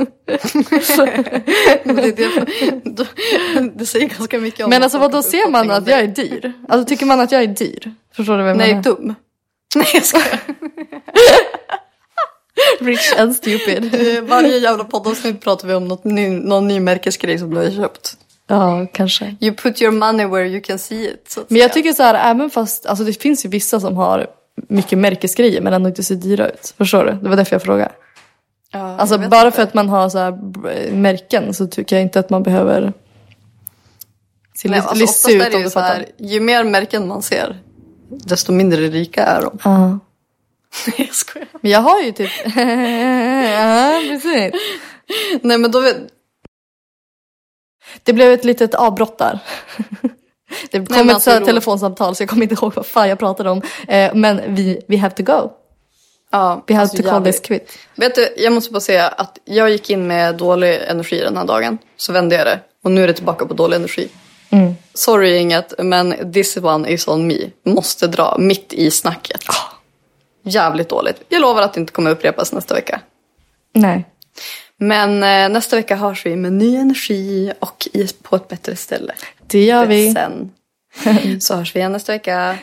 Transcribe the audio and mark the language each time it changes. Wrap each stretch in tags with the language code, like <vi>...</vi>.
<sv>Det säger ganska mycket om. Men alltså, vad då ser man att jag är dyr? Alltså, tycker man att jag är dyr? Förstår du vem jag är? Nej, dum. Nej, jag ska.</sv> <en>Rich and stupid.</en> <sv>Varje jävla poddavsnitt pratar vi om någon ny märkesgrej som du har köpt. Ja, kanske.</sv> <en>You put your money where you can see it.</en> <sv>Men jag tycker så här, även fast, alltså det finns ju vissa som har mycket märkesgrejer men ändå inte ser dyra ut. Förstår du? Det var därför jag frågade. Ja, alltså jag bara inte. För att man har så här märken så tycker jag inte att man behöver se alltså, ut. Oftast är det så här, ju mer märken man ser, desto mindre rika är de. Ja. Nej, jag skojar. Men jag har ju typ... Ja, precis. Nej, men då... Det blev ett litet avbrott där. Det kom ett så telefonsamtal, så jag kommer inte ihåg vad fan jag pratade om. Men</sv> <en>we have to go.</en> <sv>Ja,</sv> <en>we have to call this quit.</en> <sv>Vet du, jag måste bara säga att jag gick in med dålig energi den här dagen. Så vände jag det. Och nu är det tillbaka på dålig energi. Mm.</sv> <en>Sorry</en> <sv>inget, men</sv> <en>this one is on me.</en> <sv>Måste dra mitt i snacket. Oh. Jävligt dåligt. Jag lovar att det inte kommer upprepas nästa vecka. Nej. Men nästa vecka hörs vi med ny energi och på ett bättre ställe. Det gör vi. Sen. Så hörs vi igen nästa vecka.</sv>